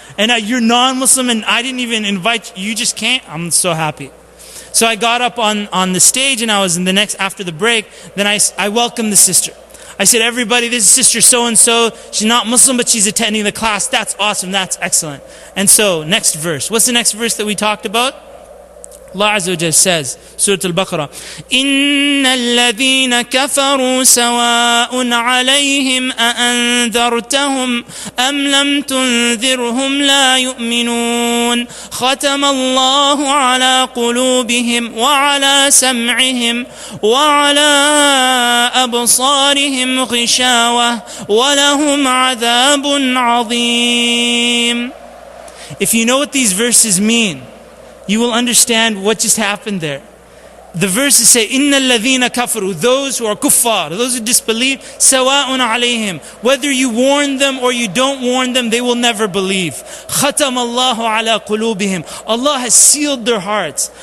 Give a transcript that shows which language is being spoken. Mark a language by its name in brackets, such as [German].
[English] And you're non-Muslim and I didn't even invite you, you just can't? I'm so happy. So I got up on the stage and I was in the next, after the break, then I welcomed the sister. I said, everybody, this is sister so-and-so. She's not Muslim, but she's attending the class. That's awesome. That's excellent. And so, next verse. What's the next verse that we talked about? Allah Azza wa Jalla says, Surah Al-Baqarah, [Arabic] إِنَّ الَّذِينَ كَفَرُوا سَوَاءٌ عَلَيْهِمْ أَأَنذَرْتَهُمْ أَمْ لَمْ تُنذِرْهُمْ لَا يُؤْمِنُونَ خَتَمَ اللَّهُ عَلَى قُلُوبِهِمْ وَعَلَى سَمْعِهِمْ وَعَلَى أَبْصَارِهِمْ غِشَاوَةٌ وَلَهُمْ عَذَابٌ عَظِيمٌ. [English] If you know what these verses mean, you will understand what just happened there. The verses say, [Arabic] إِنَّ الَّذِينَ كَفَرُوا, [English] those who are kuffar, those who disbelieve, [Arabic] سَوَاءٌ عَلَيْهِمْ, [English] whether you warn them or you don't warn them, they will never believe. [Arabic] خَتَمَ اللَّهُ عَلَى قُلُوبِهِمْ, [English] Allah has sealed their hearts.